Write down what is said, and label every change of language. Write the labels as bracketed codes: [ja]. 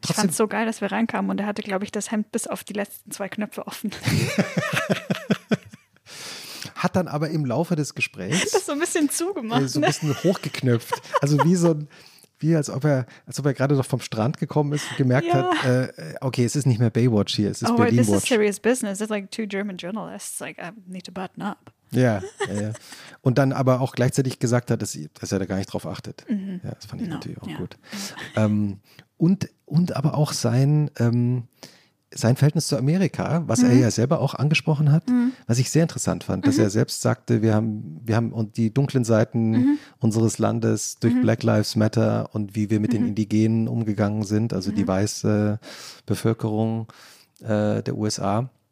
[de] ich fand es so geil, dass wir reinkamen und er hatte, glaube ich, das Hemd bis auf die letzten zwei Knöpfe offen. Hat dann aber im Laufe des Gesprächs das so ein bisschen zugemacht. So ein bisschen hochgeknöpft. Also wie so ein, wie als ob er gerade noch vom Strand gekommen ist und gemerkt hat, okay, es ist nicht mehr Baywatch hier, es ist Berlin Watch. [en] Oh, this is serious business. It's like two German journalists. Like, I need to button up. [de] Ja, ja, ja. Und dann aber auch gleichzeitig gesagt hat, dass er da gar nicht drauf achtet. Mhm. Ja, das fand ich natürlich auch gut. Und aber auch sein Verhältnis zu Amerika, was er ja selber auch angesprochen hat, was ich sehr interessant fand, dass er selbst sagte, wir haben die dunklen Seiten unseres Landes durch Black Lives Matter und wie wir mit den Indigenen umgegangen sind, also die weiße Bevölkerung der USA.